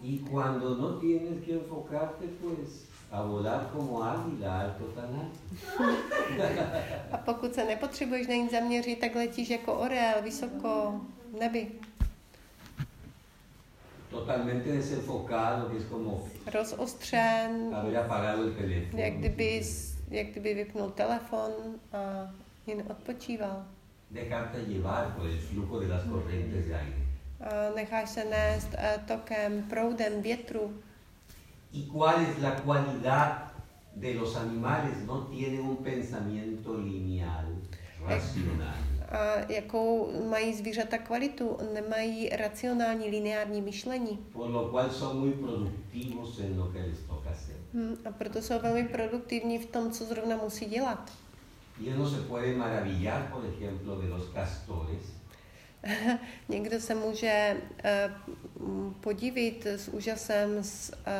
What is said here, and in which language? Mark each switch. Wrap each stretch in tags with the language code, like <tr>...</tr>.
<es>Y cuando no tienes que enfocarte, pues a volar como águila alto tan alto.</es> <cs>A pokud se nepotřebuješ na nic zaměřit, tak letíš jako orel vysoko v nebi.</cs> <es>Totalmente desenfocado, que es como</es> <cs>rozostřen.</cs> <es>Haber apagado el teléfono.</es> <cs>Jak kdyby vypnul telefon a jen odpočíval.</cs> <es>Dejarte llevar por el flujo de las corrientes de aire.</es> <cs>Necháš se nést tokem, proudem větru.</cs> <es>¿Y cuál es la cualidad de los animales? No tiene un pensamiento lineal, racional.</es> <cs>A jakou mají zvířata kvalitu? Nemají racionální, lineární myšlení.</cs> <es>Por lo cual son muy productivos en lo que les toca hacer.</es> <cs>A proto jsou velmi produktivní v tom, co zrovna musí dělat.</cs> <es>Y uno se puede maravillar, por ejemplo, de los castores.</es> <cs>Někdo se může podívat s úžasem z</cs>